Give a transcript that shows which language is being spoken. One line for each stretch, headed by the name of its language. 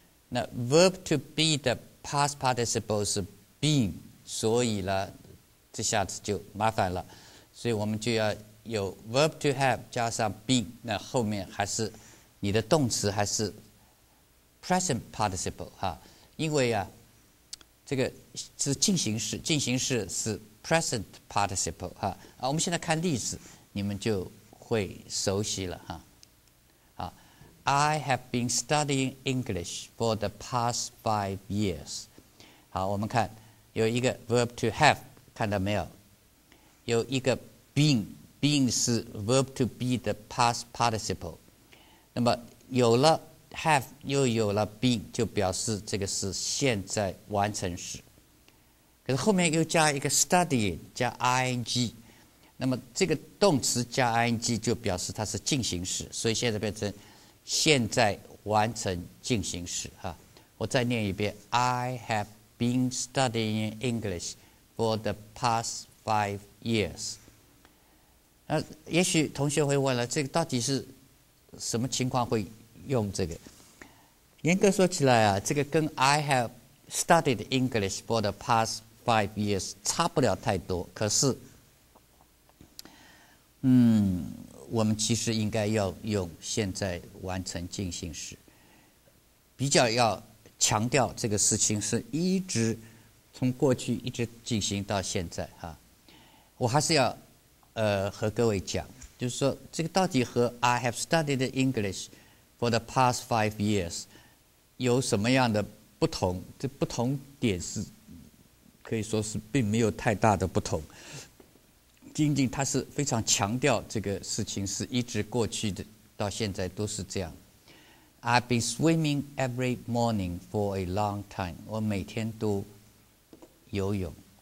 Chinese: 那 verb to be 的 past participle 是 being， 所以呢这下子就麻烦了，所以我们就要有 verb to have 加上 being， 那后面还是你的动词还是 present participle 哈，因为啊这个是进行式，进行式是 present participle 哈。啊，我们现在看例子你们就会熟悉了哈。
English: I have been studying English for the past 5 years.
Chinese: 好，我们看有一个 verb to have，看到没有？有一个 being 是 verb to be 的 past participle。那么有了 have， 又有了 being， 就表示这个是现在完成时。可是后面又加一个 studying， 加 ing。那么这个动词加 ing 就表示它是进行时，所以现在变成现在完成进行时哈。
English: 我再念一遍 ：I have been studying English for the past 5 years。
Chinese: 那也许同学会问了，这个到底是什么情况会用这个？严格说起来啊，这个跟 I have studied English for the past 5 years 差不了太多，可是。我们其实应该要用现在完成进行时，比较要强调这个事情是一直从过去一直进行到现在哈。我还是要和各位讲，就是说这个到底和 I have studied English for the past 5 years 有什么样的不同？这不同点是可以说是并没有太大的不同。仅仅他是非常强调这个事情是一直过去的到现在都是这样。
English: I've been swimming every morning for a long time，我每天都游泳。